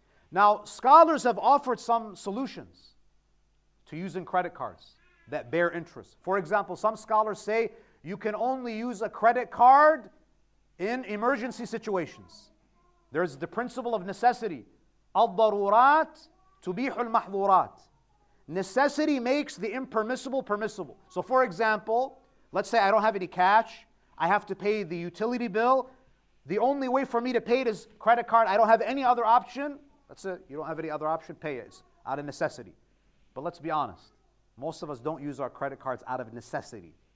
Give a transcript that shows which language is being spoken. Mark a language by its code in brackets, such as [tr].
[en] Now, scholars have offered some solutions to using credit cards that bear interest. For example, some scholars say you can only use a credit card in emergency situations. There's the principle of necessity. [ar] الضرورات تبيح المحظورات. [en] Necessity makes the impermissible permissible. So for example, let's say I don't have any cash. I have to pay the utility bill. The only way for me to pay it is credit card. I don't have any other option. That's it. You don't have any other option. Pay it. It's out of necessity. But let's be honest. Most of us don't use our credit cards out of necessity.